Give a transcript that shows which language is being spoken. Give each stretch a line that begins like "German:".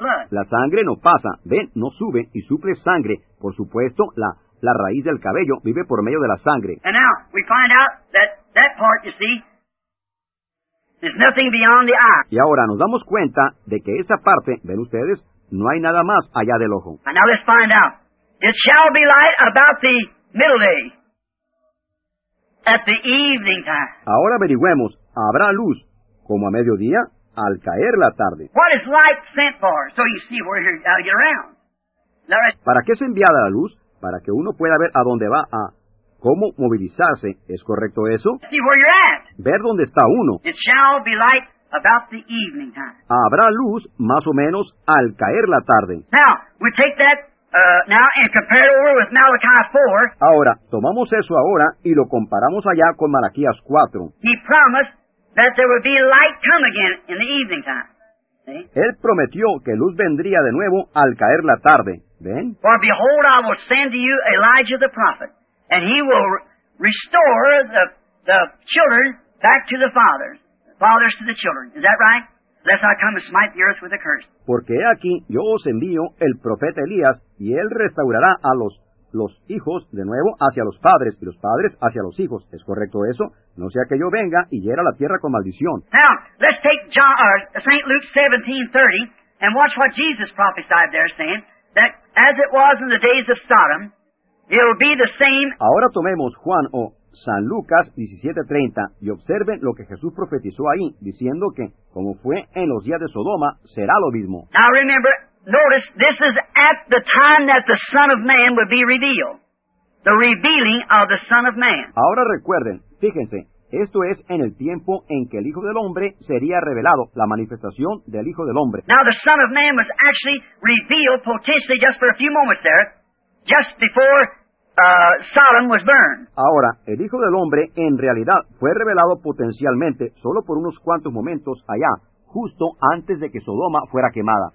Spanish: La sangre no pasa. ¿Ven? No sube y suple sangre. Por supuesto, la raíz del cabello vive por medio de la sangre.
English: And now we find out that part, you see, there's nothing beyond the eye.
Spanish: Y ahora nos damos cuenta de que esa parte, ¿ven ustedes? No hay nada más allá del ojo.
English: And now let's find out. It shall be light about the middle day, at the evening time.
Spanish: Ahora averigüemos, ¿habrá luz como a mediodía, al caer la tarde?
English: What is light sent for? So you see where you're going to get around.
Spanish: ¿Para qué es enviada la luz? Para que uno pueda ver a dónde va, a cómo movilizarse. ¿Es correcto eso?
English: See where you're at.
Spanish: Ver dónde está uno.
English: It shall be light about the evening time.
Spanish: Habrá luz más o menos al caer la tarde.
English: Now, we take that now and compare it over with Malachi 4.
Spanish: Ahora, tomamos eso ahora y lo comparamos allá con Malaquías 4.
English: He promised that there would be light come again in the evening time.
Spanish: Él prometió que luz vendría de nuevo al caer la tarde. ¿Ven?
English: For behold, I will send to you Elijah the prophet, and he will restore the children back to the fathers. Fathers to the children. Is that right? Lest I come and smite the earth with a curse.
Spanish: Porque aquí yo os envío el profeta Elías, y él restaurará a los hijos de nuevo hacia los padres, y los padres hacia los hijos. ¿Es correcto eso? No sea que yo venga y hiera la tierra con maldición.
English: Now, let's take St. Luke 17:30 and watch what Jesus prophesied there, saying that as it was in the days of Sodom, it will be the same.
Spanish: Ahora tomemos Juan o San Lucas 17:30 y observen lo que Jesús profetizó ahí, diciendo que como fue en los días de Sodoma, será lo mismo.
English: Now remember, notice, this is at the time that the Son of Man would be revealed. The revealing of the Son of Man.
Spanish: Ahora recuerden, fíjense, esto es en el tiempo en que el Hijo del Hombre sería revelado, la manifestación del Hijo del Hombre.
English: Now the Son of Man was actually revealed potentially just for a few moments there, just before Sodom was burned.
Spanish: Ahora, el Hijo del Hombre en realidad fue revelado potencialmente solo por unos cuantos momentos allá, justo antes de que Sodoma fuera quemada.